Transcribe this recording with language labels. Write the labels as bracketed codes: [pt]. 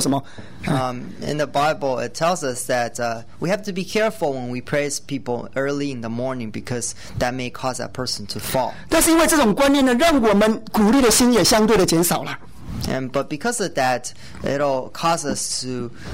[zh] 早上起来就赞美人哦，早上起来赞美人会使那个人跌倒，然后，所以我们常常也是很吝啬鼓励人的。圣经上这样讲，不要早上一起来就赞美人哦，早上一起来赞美人会像让他跌倒，不厌无故你说我很漂亮做什么？ [en] In the Bible, it tells us that we have to be careful when we praise people early in the morning because that may cause that person to fall. [zh] 但是因为这种观念呢，让我们鼓励的心也相对的减少了。 [en] But because of that, it'll cause us to